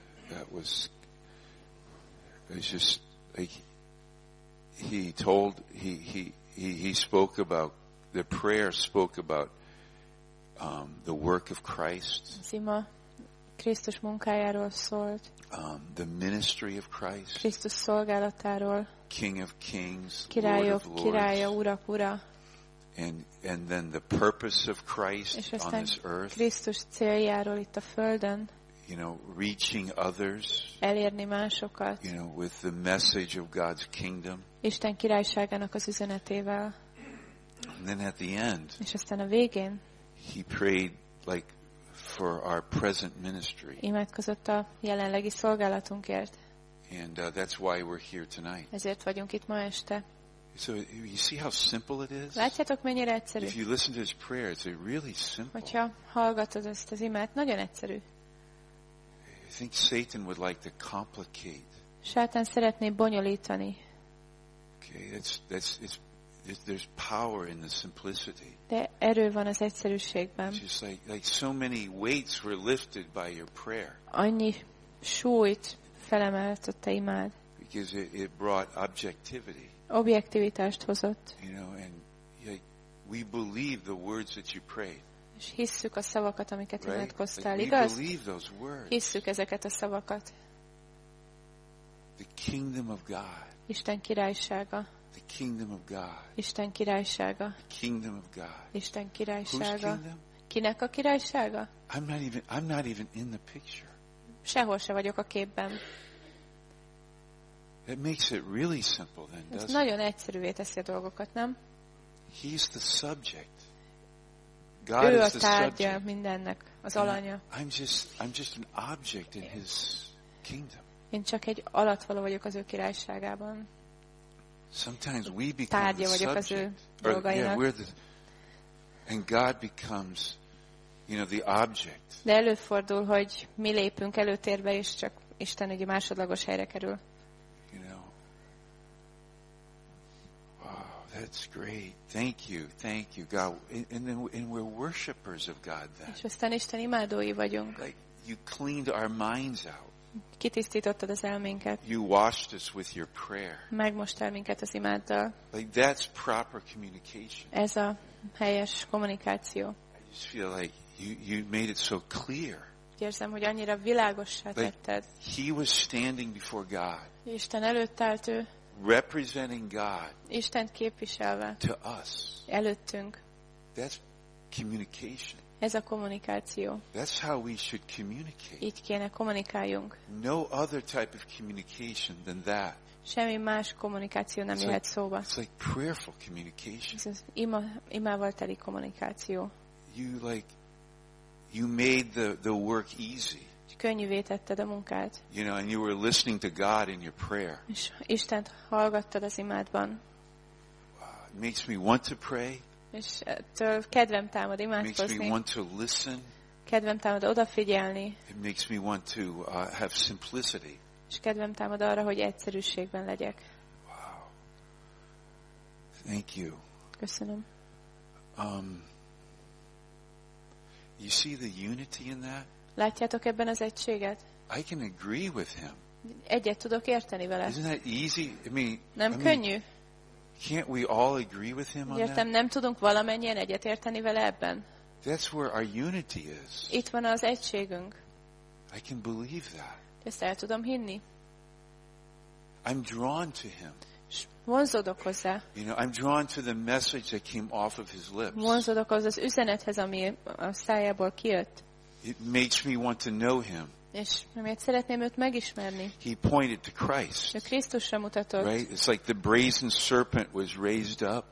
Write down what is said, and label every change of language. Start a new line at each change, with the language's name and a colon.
English: That was, it's just like he spoke about the prayer, spoke about the work of Christ.
Hungarian: Sima, Krisztus munkájáról szólt.
English: The ministry of Christ.
Hungarian: Krisztus szolgálatáról.
English: King of Kings,
Hungarian: királyok,
English: Lord of Lords.
Hungarian: Királya, urak, ura.
English: And then the purpose of Christ on this earth.
Hungarian: Krisztus céljáról itt a földön.
English: You know, reaching others.
Hungarian: Elérni másokat.
English: You know, with the message of God's kingdom.
Hungarian: Isten királyságának az üzenetével.
English: And then at the end.
Hungarian: És aztán a végén.
English: He prayed like for our present ministry.
Hungarian: Imádkozott a jelenlegi szolgálatunkért.
English: And that's why we're here tonight.
Hungarian: Ezért vagyunk itt ma este.
English: So you see how simple it is?
Hungarian: Látjátok, mennyire egyszerű.
English: If you listen to his prayer, it's really simple.
Hungarian: Hogyha hallgatod ezt az imát, nagyon egyszerű.
English: I think Satan would like to complicate.
Hungarian: Sátán szeretné bonyolítani.
English: Okay, it's there's power in the simplicity.
Hungarian: De erő van az egyszerűségben.
English: Just like so many weights were lifted by your prayer.
Hungarian: Annyi súlyt felemelt a te imád.
English: Because it brought objectivity.
Hungarian: Objektivitást hozott.
English: You know, and we believe the words that you prayed.
Hungarian: És hisszük a szavakat, amiket imádkoztál, igaz? Hisszük ezeket a szavakat.
English: The kingdom of God.
Hungarian: Isten királysága.
English: The kingdom of God.
Hungarian: Isten királysága.
English: The kingdom of God.
Hungarian: Isten királysága.
English: Whose kingdom?
Hungarian: Kinek a királysága?
English: I'm not even in the picture.
Hungarian: Sehol se vagyok a képben.
English: It makes it really simple then, doesn't it?
Hungarian: Ez nagyon egyszerűvé teszi a dolgokat, nem?
English: He's the subject.
Hungarian: God ő a tárgya mindennek, az alanya.
English: I'm just an object in his kingdom.
Hungarian: Én csak egy alattvaló vagyok az ő királyságában.
English: Sometimes we become
Hungarian: tárgya vagyok az ő dolgainak.
English: And God becomes, you know, the object.
Hungarian: De előfordul, hogy mi lépünk előtérbe, és csak Isten egy másodlagos helyre kerül.
English: You know. That's great. Thank you. Thank you, God. And we're worshipers of God then.
Hungarian: És aztán Isten imádói vagyunk.
English: Like you cleaned our minds out.
Hungarian: Kitisztítottad az elménket.
English: You washed us with your prayer.
Hungarian: Megmostál minket az imáddal.
English: Like that's proper communication.
Hungarian: Ez a helyes kommunikáció.
English: I just feel like you made it so clear.
Hungarian: Érzem, hogy annyira világossá tetted.
English: He was standing before God.
Hungarian: Isten előtt állt ő.
English: Representing God.
Hungarian: Istent képviselve.
English: To us.
Hungarian: Előttünk.
English: That's communication.
Hungarian: Ez a kommunikáció.
English: That's how we should communicate.
Hungarian: Így kéne kommunikáljunk.
English: No other type of communication than that.
Hungarian: Semmi más kommunikáció nem jöhet szóba.
English: It's like prayerful communication.
Hungarian: Ez az imával teli kommunikáció.
English: You made the work easy.
Hungarian: Könnyűvé tetted a munkát.
English: You know, and you were listening to God in your prayer.
Hungarian: És Istent hallgattad az imádban.
English: It makes me want to pray.
Hungarian: És ettől kedvem támad imádkozni.
English: It makes me want to listen.
Hungarian: Kedvem támad odafigyelni.
English: It makes me want to have simplicity.
Hungarian: És kedvem támad arra, hogy egyszerűségben legyek.
English: Wow. Thank you.
Hungarian: Köszönöm.
English: You see the unity in that?
Hungarian: Látjátok ebben az egységet?
English: I can agree with him.
Hungarian: Egyet tudok érteni vele.
English: Isn't that easy? I mean,
Hungarian: nem könnyű.
English: Can't we all agree with him on that?
Hungarian: Nem tudunk valamennyien egyet érteni vele ebben.
English: That's where our unity is.
Hungarian: Itt van az egységünk.
English: I can believe that.
Hungarian: Ezt el tudom hinni.
English: I'm drawn to him.
Hungarian: Vonzódok hozzá.
English: You know, I'm drawn to the message that came off of his lips.
Hungarian: Vonzódok az üzenethez, ami a szájából kijött.
English: It makes me want to know him.
Hungarian: És miért szeretném őt megismerni?
English: He pointed to Christ.
Hungarian: Ő Krisztusra mutatott.
English: Right? It's like the brazen serpent was raised up.